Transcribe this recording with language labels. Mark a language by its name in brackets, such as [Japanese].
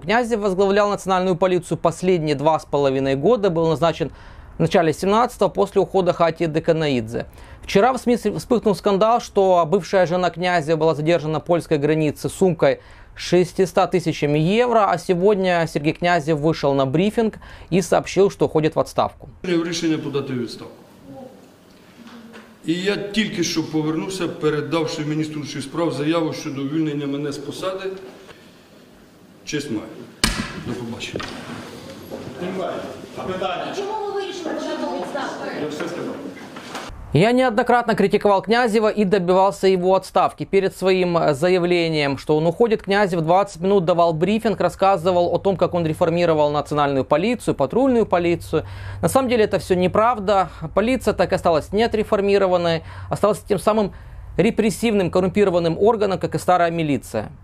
[Russian] Князев возглавлял Национальную полицию последние 2,5 года, был назначен в начале 17-го после ухода Хати Деканаидзе. Вчера в СМИ вспыхнул скандал, что бывшая жена Князева была задержана на польской границе сумкой 600 тысячами евро, а сегодня Сергей Князев вышел на брифинг и сообщил, что уходит в отставку. Решение подать в отставку. [Ukrainian] І я тільки що повернувся, передавши міністру внутрішніх справ заяву щодо увільнення мене з посади. Честь маю. До побачення. А питання? Чому ви вирішили, що я буду відставкою? Я все сказав. [Russian] Я неоднократно критиковал Князева и добивался его отставки. Перед своим заявлением, что он уходит, Князев 20 минут давал брифинг, рассказывал о том, как он реформировал национальную полицию, патрульную полицию. На самом деле это все неправда. Полиция так и осталась неотреформированной, осталась тем самым репрессивным, коррумпированным органом, как и старая милиция.